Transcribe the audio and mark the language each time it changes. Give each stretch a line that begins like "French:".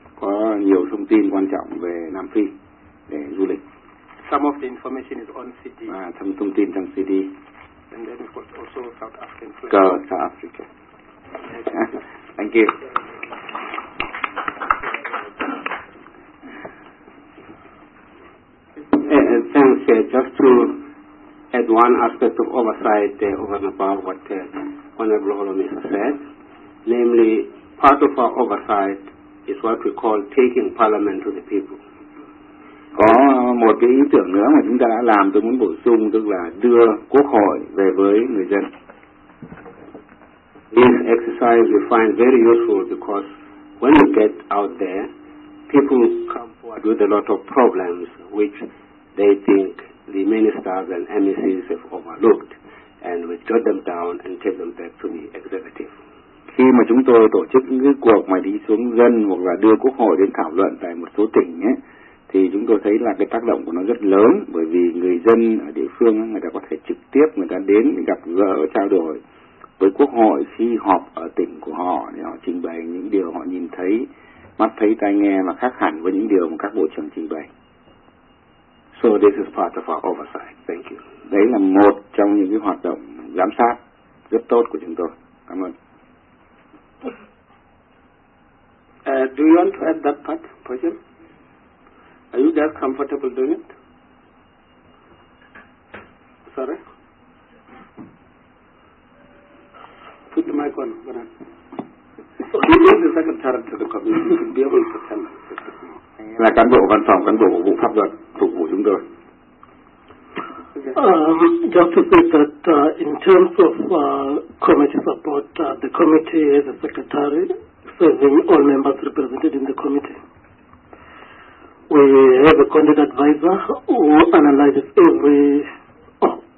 Vietnamese: Có nhiều thông tin quan trọng về Nam Phi để du lịch.
English: Some of the information is on CD.
Vietnamese: À, thông thông tin trong CD.
English: And then of course also South African. Go South Africa. Thank you. Is just to add one aspect of oversight over and above what Honorable Holomisa has said, namely, part of our oversight is what we call taking Parliament to the people.
Vietnamese: Có một cái ý tưởng nữa mà chúng ta đã làm, tôi muốn bổ sung, tức là đưa Quốc hội về với người dân.
English: This exercise we find very useful because when we get out there, people come forward with a lot of problems which they think the ministers and MECs have overlooked, and we jot them down and take them back to the executive.
Vietnamese: Khi mà chúng tôi tổ chức những cuộc mà đi xuống dân hoặc là đưa Quốc hội đến thảo luận tại một số tỉnh ấy, thì chúng tôi thấy là cái tác động của nó rất lớn, bởi vì người dân ở địa phương người ta có thể trực tiếp người ta đến gặp gỡ trao đổi với Quốc hội khi họp ở tỉnh của họ, để họ trình bày những điều họ nhìn thấy, mắt thấy tai nghe, mà khác hẳn với những điều mà các bộ trưởng trình bày.
English: So this is part of our oversight. Thank you.
Vietnamese: Đấy là một trong những cái hoạt động giám sát rất tốt của chúng tôi. Cảm ơn.
English: Do you want to add that part, Pochin? Are you guys comfortable doing it? Sorry? Put the mic on. Go on. Give the secretary to the committee. You should be able to tell us.
Vietnamese: Là cán bộ văn phòng, cán bộ của vụ pháp luật phục vụ chúng tôi.
English: Just to say that in terms of committee support, the committee has a secretary serving all members represented in the committee. We have a content advisor who analyzes every...